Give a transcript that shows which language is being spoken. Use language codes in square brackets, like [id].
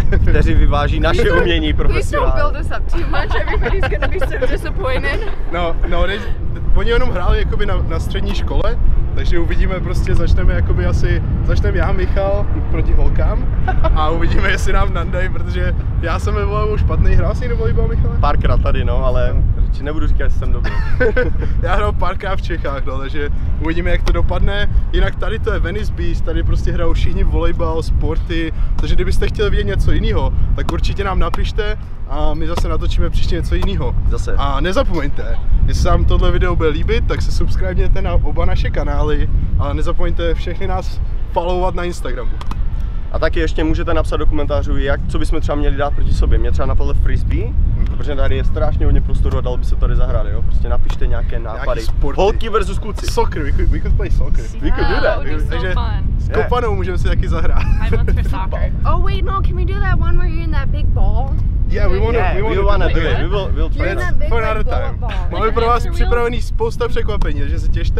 [cs] Kteří vyváží naše umění profesionálně. [en] Please don't build this up too much, everybody's gonna be so disappointed. [cs] No, oni jenom hráli jakoby na střední škole. Takže uvidíme, prostě začneme jakoby asi, začneme já, Michal, proti holkám a uvidíme, jestli nám nandají, protože já jsem ve volejbalu špatný, hrál jsi nebo volejbal, Michale? Párkrát tady, no, ale nebudu říkat, že jsem dobrý. Já hrál párkrát v Čechách, no, takže uvidíme, jak to dopadne. Jinak tady to je Venice Beach, tady prostě hrajou všichni volejbal, sporty, takže kdybyste chtěli vidět něco jiného, tak určitě nám napište a my zase natočíme příště něco jiného. Zase. A nezapomeňte, jestli vám tohle video bude líbit, tak se subscribněte na oba naše kanály a nezapomeňte všechny nás followovat na Instagramu. A taky ještě můžete napsat do komentářů, jak, co bychom třeba měli dát proti sobě. Mě třeba napadlo frisbee, protože tady je strašně hodně prostoru a dalo by se tady zahrát, jo? Prostě napište nějaké nápady. Holky versus kluci. [en] Soccer, we could play soccer. Yeah, we could do that. [cs] Takže s kopanou můžeme si taky zahrát. [en] Oh wait, no, can we do that one where you're in that big ball? Yeah, we wanna do it. We will try it. For another time. [cs] Máme pro vás připravený spousta překvapení, takže se těšte.